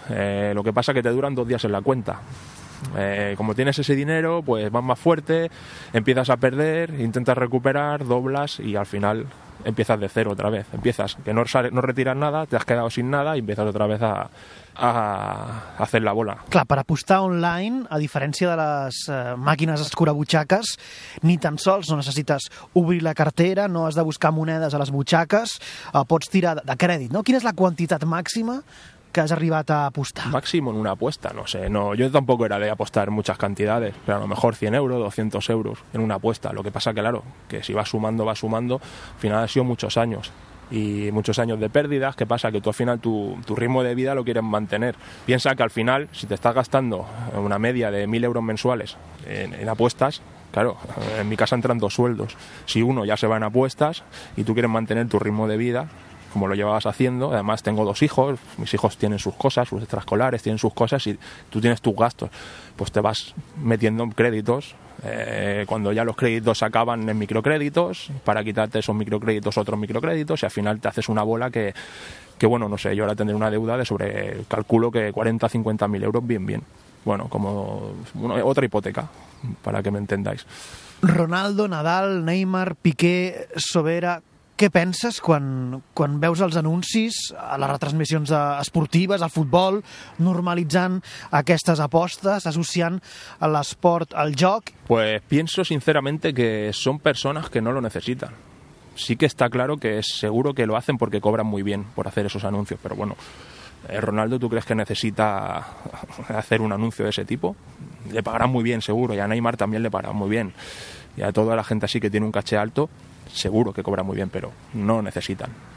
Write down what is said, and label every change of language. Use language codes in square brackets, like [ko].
[es] Lo que pasa es que te duran 2 días en la cuenta. Como tienes ese dinero, pues vas más fuerte, empiezas a perder, intentas recuperar, doblas y al final empiezas de cero otra vez. Empiezas, que no retiras nada, te has quedado sin nada y empiezas otra vez a hacer la bola. [ca] Clar, per apostar online, a diferència de les màquines escurabutxaques, ni tan sols no necessites obrir la cartera, no has de buscar monedes a les butxaques, pots tirar de crèdit, no? Quina és la quantitat màxima que has arribat a apostar? [es] Máximo en una apuesta, no sé. No, yo tampoco era de apostar muchas cantidades, pero a lo mejor 100 euros, 200 euros en una apuesta. Lo que pasa, claro, que si vas sumando, al final ha sido muchos años. Y muchos años de pérdidas, ¿qué pasa? Que tú al final tu ritmo de vida lo quieres mantener. Piensa que al final, si te estás gastando una media de 1.000 euros mensuales en apuestas, claro, en mi casa entran 2 sueldos. Si uno ya se va en apuestas y tú quieres mantener tu ritmo de vida, como lo llevabas haciendo, además tengo 2 hijos, mis hijos tienen sus cosas, sus extraescolares tienen sus cosas y tú tienes tus gastos, pues te vas metiendo en créditos. Cuando ya los créditos se acaban en microcréditos, para quitarte esos microcréditos, otros microcréditos, y al final te haces una bola que bueno, no sé, yo ahora tendré una deuda de sobre, calculo que 40-50.000 euros, bien, bueno, como otra hipoteca, para que me entendáis. [ca] Ronaldo, Nadal, Neymar, Piqué, Sobera, què penses quan veus els anuncis a les retransmissions esportives, al futbol, normalitzant aquestes apostes, associant l'esport al joc? [es] Pues pienso sinceramente que son personas que no lo necesitan. Sí que está claro que es seguro que lo hacen porque cobran muy bien por hacer esos anuncios, pero bueno, Ronaldo, ¿tú crees que necesita hacer un anuncio de ese tipo? Le pagarán muy bien, seguro, y a Neymar también le pagarán muy bien. Y a toda la gente así que tiene un caché alto, seguro que cobra muy bien, pero no necesitan.